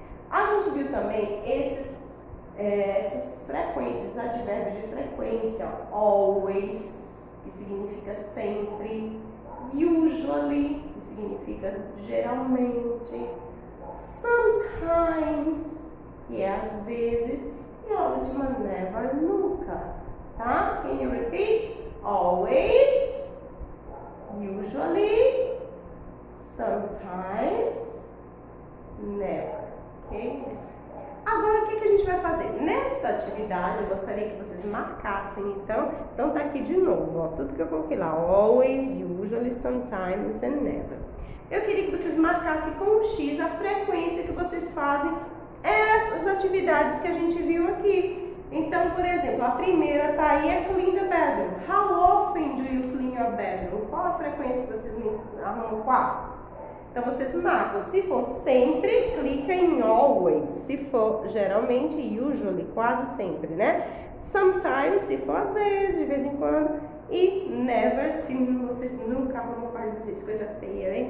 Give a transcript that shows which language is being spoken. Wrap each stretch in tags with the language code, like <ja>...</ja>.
<pt>A gente viu também essas frequências, esses advérbios de frequência. Always, que significa sempre. Usually, que significa geralmente. Sometimes, que é às vezes. E a última, never, nunca. Tá?</pt> <en>Can you repeat? Always, usually, sometimes, never. Ok?</en> <pt>Agora, o que a gente vai fazer? Nessa atividade, eu gostaria que vocês marcassem, então. Então, tá aqui de novo, ó. Tudo que eu coloquei lá.</pt> <en>Always, usually, sometimes, and never.</en> <pt>Eu queria que vocês marcassem com um X a frequência que vocês fazem essas atividades que a gente viu aqui. Então, por exemplo, a primeira tá aí, é</pt> <en>clean the bedroom. How often do you clean your bedroom?</en> <pt>Qual a frequência que vocês arrumam o quarto? Então, vocês marcam. Se for sempre, clica em always. Se for geralmente, usually, quase sempre, né? Sometimes, se for às vezes, de vez em quando. E never, se vocês nunca arrumam o quarto de vocês. Coisa feia, hein?</pt>